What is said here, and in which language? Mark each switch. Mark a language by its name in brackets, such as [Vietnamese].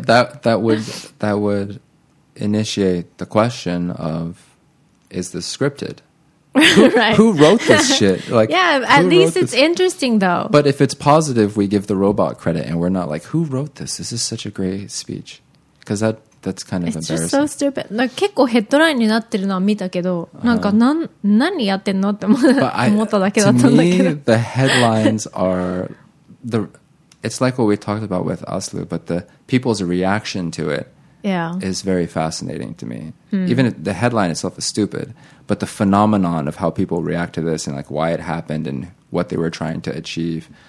[English] But that would initiate the question of, is this scripted? Right. Who wrote this shit? Like, yeah, at least it's interesting though. But if it's positive, we give the robot credit and we're not like, who wrote this? This is such a great speech. Because that's kind of embarrassing. It's just so stupid. Like, [Japanese] 結構ヘッドラインになってるのは見たけど、なんか何やってんのって思っただけだったんだけど。 [English] The headlines are the, it's like what we talked about with Aslu, but the people's reaction to it yeah. is very fascinating to me. Hmm. Even the headline itself is stupid, but the phenomenon of how people react to this and like why it happened and what they were trying to achieve.